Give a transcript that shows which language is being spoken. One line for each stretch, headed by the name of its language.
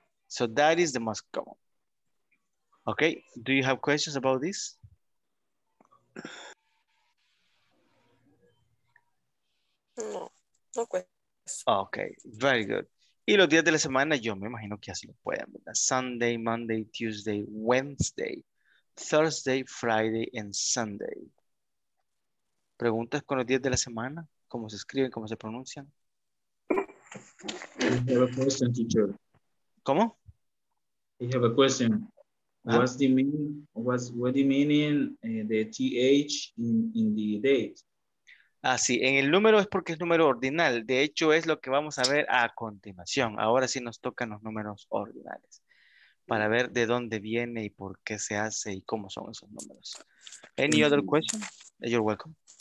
English: So that is the most common. Okay, do you have questions about this? No, no questions. Okay, very good.
Spanish: Y los días de la semana, yo me imagino que así lo pueden, ¿verdad?
English: Sunday, Monday, Tuesday, Wednesday, Thursday, Friday, and Sunday.
Spanish: ¿Preguntas con los días de la semana? ¿Cómo se escriben? ¿Cómo se pronuncian?
English: I have a question, teacher.
Spanish: ¿Cómo?
English: I have a question. Ah. What's the meaning of the TH in the date?
Spanish: Ah, sí. En el número es porque es número ordinal. De hecho, es lo que vamos a ver a continuación. Ahora sí nos tocan los números ordinales. Para ver de dónde viene y por qué se hace y cómo son esos números.
English: Any other question? You're welcome.